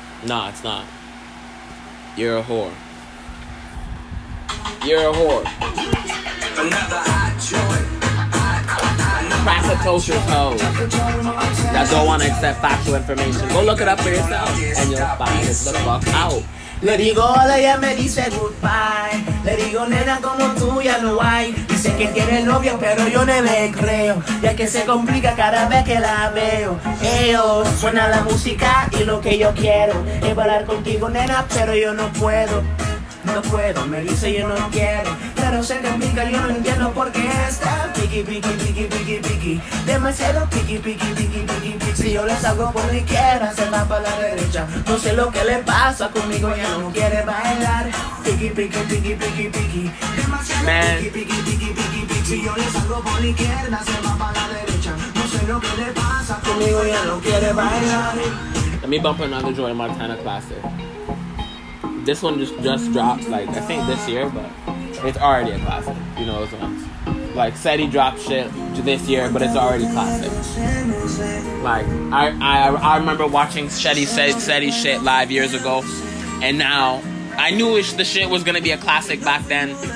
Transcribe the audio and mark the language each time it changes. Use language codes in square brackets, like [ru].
[en] Nah, it's not. You're a whore. You're a whore. Prasatosha's hoe. That don't want to accept factual information. Go look it up for yourself, and you'll find it the fuck out. [es] Le digo hola, ella me dice goodbye. Le digo nena como tú ya no hay. Dice que tiene novio pero yo no le creo. Ya que se complica cada vez que la veo. Eo, suena la música y lo que yo quiero es bailar contigo nena pero yo no puedo. No puedo, me dice yo no quiero. Pero se complica, yo no entiendo por qué está. Piki, piki, piki, piki, piki. Demasiado piki, piki, piki, piki, piki. Si yo le salgo por la izquierda, se va para la derecha. No sé lo que le pasa conmigo, ya no quiere bailar. Piki, piki, piki, piki, piki. Demasiado piki, piki, piki, piki, piki. Si yo le salgo por la izquierda, se va para la derecha. No sé lo que le pasa conmigo, ya no quiere bailar. [en] Let me bump another Joy Montana classic. This one just dropped, like, I think this year, but it's already a classic. You know those ones. Like, said he dropped shit this year, but it's already classic. Like, I remember watching Shetty shit live years ago, and now, I knew the shit was gonna be a classic back then.